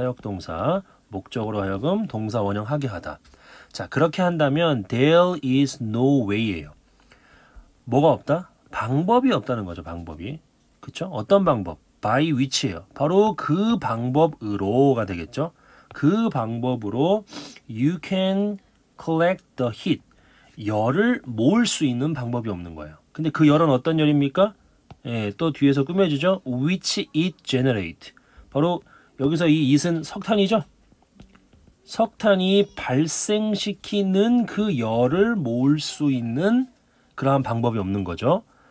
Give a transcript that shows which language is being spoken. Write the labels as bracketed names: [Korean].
[Korean] 사역동사 목적으로 하여금 동사 원형 하게 하다. 자, 그렇게 한다면 [English] there is no way [Korean] 예요. 뭐가 없다? 방법이 없다는 거죠. 방법이. 그쵸? 어떤 방법? [English] by which [Korean] 예요. 바로 그 방법으로가 되겠죠. 그 방법으로 [English] you can collect the heat. [Korean] 열을 모을 수 있는 방법이 없는 거예요. 근데 그 열은 어떤 열입니까? 예, 또 뒤에서 꾸며주죠. [English] which it generate. [Korean] 바로 여기서 이 it은 석탄이죠. 석탄이 발생시키는 그 열을 모을 수 있는 그러한 방법이 없는 거죠.